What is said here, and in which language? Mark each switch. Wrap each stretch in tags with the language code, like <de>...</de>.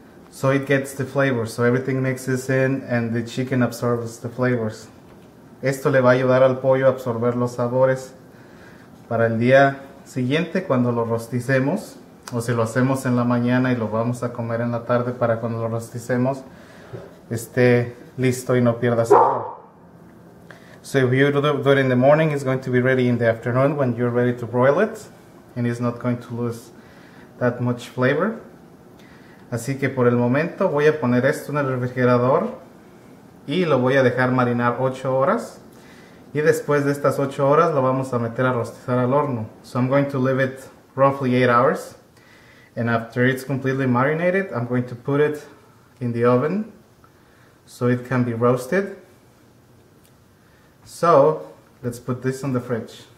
<en>So it gets the flavor. So everything mixes in and the chicken absorbs the flavors.</en> <es>Esto le va a ayudar al pollo a absorber los sabores para el día siguiente, cuando lo rosticemos, o si lo hacemos en la mañana y lo vamos a comer en la tarde, para cuando lo rosticemos esté listo y no pierda sabor.</es> <en>So if you do it in the morning, it's going to be ready in the afternoon when you're ready to broil it, and it's not going to lose that much flavor.</en> <es>Así que por el momento voy a poner esto en el refrigerador y lo voy a dejar marinar 8 horas. Y después de estas 8 horas lo vamos a meter a rostizar al horno.</es> <en>So I'm going to leave it roughly 8 hours. And after it's completely marinated, I'm going to put it in the oven so it can be roasted. So, let's put this on the fridge.</en>